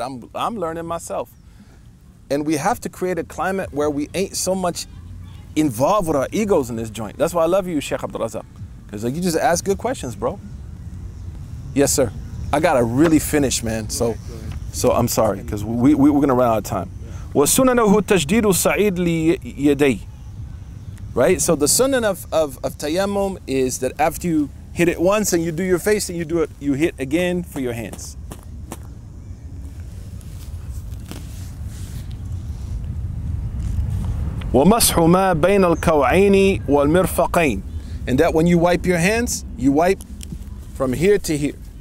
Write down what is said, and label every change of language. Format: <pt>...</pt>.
<en>I'm learning myself. And we have to create a climate where we ain't so much involved with our egos in this joint. That's why I love you, Sheikh Abdul Razak. Because like, you just ask good questions, bro. Yes, sir. I got to really finish, man. So I'm sorry, because we're going to run out of time.</en> <ar>وَسُنَنَهُ تَجْدِيدُ سَعِيدْ لِيَدَيْ</ar> <en>Right? So the sunnah of tayammum is that after you hit it once and you do your face and you do it, you hit again for your hands.</en> <ar>وَمَسْحُ مَا بَيْنَ الْكَوْعَيْنِ وَالْمِرْفَقَيْنِ</ar> <en>And that when you wipe your hands, you wipe from here to here.</en>